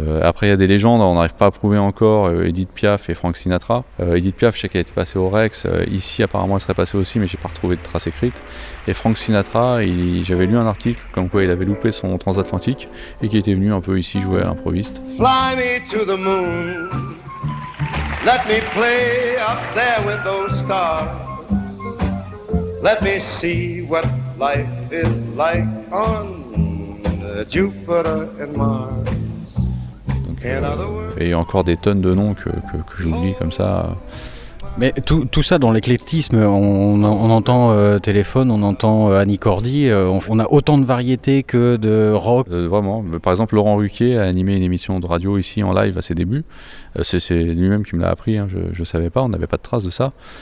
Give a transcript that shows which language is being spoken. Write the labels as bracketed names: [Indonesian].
[French] Après, il y a des légendes, on n'arrive pas à prouver encore, Edith Piaf et Frank Sinatra. Edith Piaf, je sais qu'elle était passée au Rex. Ici, apparemment, elle serait passée aussi, mais j'ai pas retrouvé de traces écrites. Et Frank Sinatra, j'avais lu un article comme quoi il avait loupé son transatlantique et qu'il était venu un peu ici jouer à l'improviste. [English] Fly me to the moon, let me play up there with those stars. Let me see what life is like on Jupiter and Mars. [French] Donc, et encore des tonnes de noms que j'oublie comme ça. Mais tout ça dans l'éclectisme, on entend Téléphone, on entend Annie Cordy, on a autant de variétés que de rock. Vraiment, par exemple Laurent Ruquier a animé une émission de radio ici en live à ses débuts, c'est lui-même qui me l'a appris, hein. Je ne savais pas, on n'avait pas de traces de ça.